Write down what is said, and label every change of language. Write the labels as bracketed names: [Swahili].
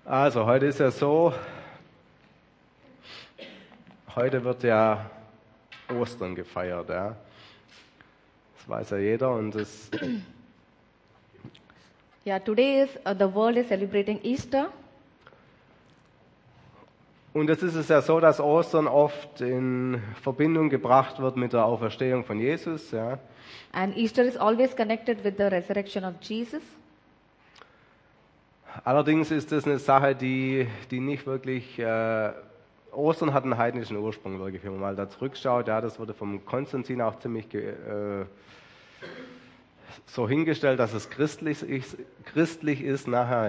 [German] Also, heute ist ja so, heute wird ja Ostern gefeiert, ja. Das weiß ja jeder und es. [English] Ja, today is the world is celebrating Easter. [German] Und es ist es ja so, dass Ostern oft in Verbindung gebracht wird mit der Auferstehung von Jesus, ja. [English] And Easter is always connected with the resurrection of Jesus. [German] Allerdings ist das eine Sache, die nicht wirklich. Ostern hat einen heidnischen Ursprung, wirklich. Wenn man mal da zurückschaut, ja, das wurde vom Konstantin auch ziemlich so hingestellt, dass es christlich ist nachher.